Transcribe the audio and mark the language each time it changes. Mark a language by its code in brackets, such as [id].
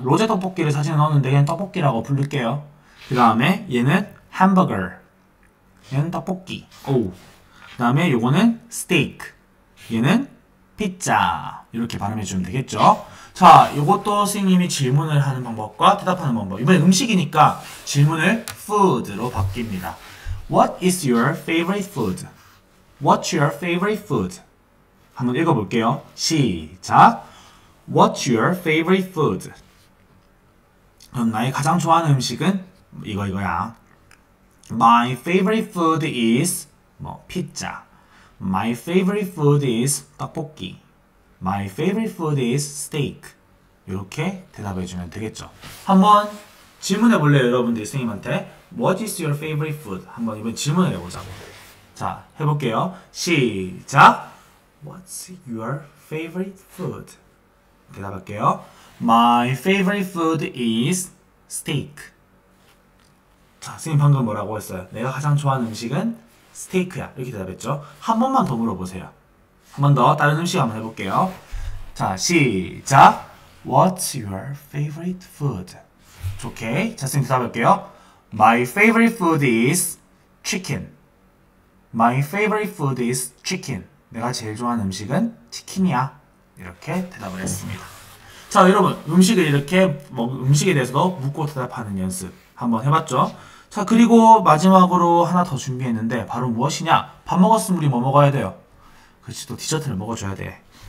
[ko] 로제 떡볶이를 사진에 넣었는데 얘는 떡볶이라고 부를게요. 그 다음에 얘는 햄버거. 얘는 떡볶이. 오. 그 다음에 요거는 스테이크. 얘는 피자. 이렇게 발음해 주면 되겠죠. 자, 요것도 선생님이 질문을 하는 방법과 대답하는 방법. 이번에 음식이니까 질문을 food로 바뀝니다. [en] What is your favorite food? What's your favorite food? [ko] 한번 읽어볼게요. 시작. [en] What's your favorite food? [ko] 그럼 나의 가장 좋아하는 음식은 이거야. [en] My favorite food is [ko] 뭐 피자. [en] My favorite food is 떡볶이. My favorite food is steak. [ko] 이렇게 대답해주면 되겠죠. 한번 질문해볼래요, 여러분들 선생님한테. [en] What is your favorite food? [ko] 한번 이번 질문을 해보자고. 자, 해볼게요. 시작. [en] What's your favorite food? [ko] 대답할게요. [en] My favorite food is steak. [ko] 자, 선생님 방금 뭐라고 했어요? 내가 가장 좋아하는 음식은 스테이크야. 이렇게 대답했죠. 한 번만 더 물어보세요. 한번 더 다른 음식 한번 해볼게요. 자, 시작. [en] What's your favorite food? [ko] 좋게. 자, 선생님 대답할게요. [en] My favorite food is chicken. My favorite food is chicken. [ko] 내가 제일 좋아하는 음식은 치킨이야. 이렇게 대답을 했습니다. 자, 여러분. 음식에 대해서도 묻고 대답하는 연습 한번 해봤죠? 자, 그리고 마지막으로 하나 더 준비했는데, 바로 무엇이냐? 밥 먹었으면 우리 뭐 먹어야 돼요? 그렇지, 또 디저트를 먹어줘야 돼.